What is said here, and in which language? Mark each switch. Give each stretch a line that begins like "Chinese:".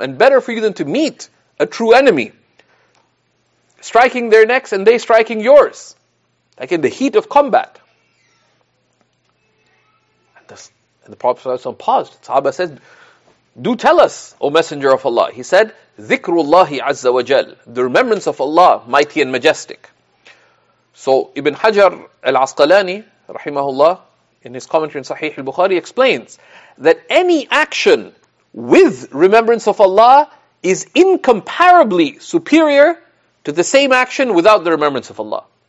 English: And better for you than to meet a true enemy, striking their necks and they striking yours, like in the heat of combat. And the Prophet ﷺ paused. Sahaba said, do tell us, O Messenger of Allah. He said,
Arabic: ذِكْرُ اللَّهِ عَزَّ وَجَلْ.
English: The remembrance of Allah, mighty and majestic. So Ibn Hajar al-Asqalani, rahimahullah, in his commentary in Sahih al-Bukhari, explains that any action with remembrance of Allah is incomparably superior to the same action without the remembrance of Allah.